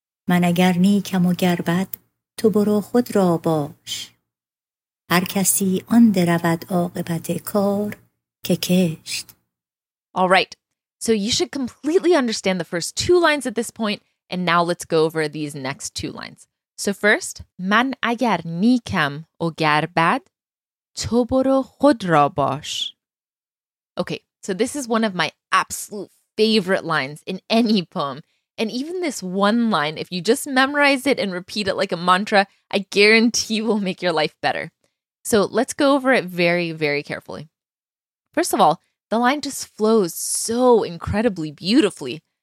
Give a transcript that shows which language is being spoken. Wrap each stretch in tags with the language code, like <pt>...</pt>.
<fa>من اگر نیکم و گر بد تو برو خود را باش هر کسی آن درود عاقبت کار که کشت.</fa> <en>All right, so you should completely understand the first 2 lines at this point, and now let's go over these next 2 lines. So first,</en> <fa>من اگر نیکم و گر بد تو برو خود را باش.</fa> <en>Okay, so this is one of my absolute favorite lines in any poem. And even this one line, if you just memorize it and repeat it like a mantra, I guarantee will make your life better. So let's go over it very, very carefully. First of all, the line just flows so incredibly beautifully.</en>